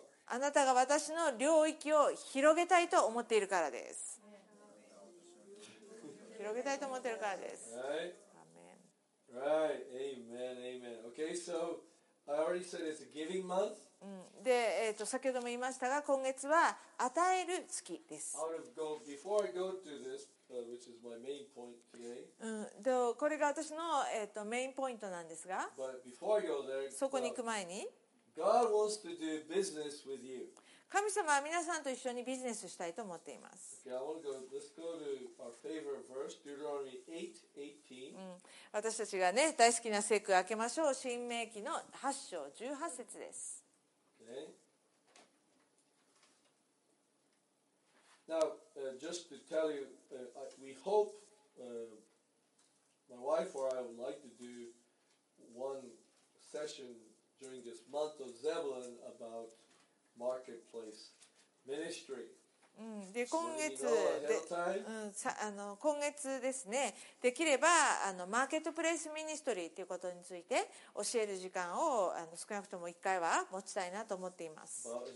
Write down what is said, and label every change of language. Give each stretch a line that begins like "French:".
Japanese: あなたが私の領域を広げたいと思っているからです。広げたいと思っているからです。
English: アーメン。Right. Amen. Amen. Okay, so I already said it's a giving month.
Japanese: で、先ほども言いましたが、今月は与える月です。
English: Before I go to thisWhich is my main point today.
Japanese: これが私の、メインポイントなんですが、そこに行く前に、
English: God wants to do business with you.
Japanese: 神様は皆さんと一緒にビジネスしたいと思っています。
English: Okay, I want to go. Let's go to our favorite verse, Deuteronomy 8:18.
Japanese: 私たちがね、大好きな聖句を開けましょう。申命記の8章18節です。
English: Okay. Now,just to tell you, we hope, my wife or I would like to do one session during this month of Zebulun about marketplace ministry.
Japanese: で今月で、今月ですね、できればマーケットプレイスミニストリーということについて教える時間を少なくとも1回は持ちたいなと思っています。